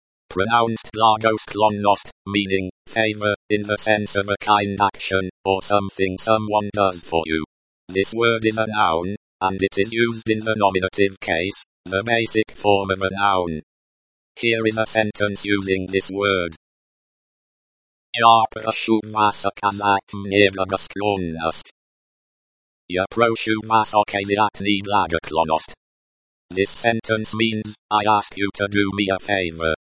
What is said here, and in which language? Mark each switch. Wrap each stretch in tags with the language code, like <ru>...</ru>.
<en>Pronounced благосклонность, meaning favor in the sense of a kind action or something someone does for you. This word is a noun, and it is used in the nominative case, the basic form of a noun. Here is a sentence using this word.</en> <ru>Я прошу вас оказать мне благосклонность. Я прошу вас оказать мне благосклонность.</ru> <en>This sentence means, I ask you to do me a favor.</en>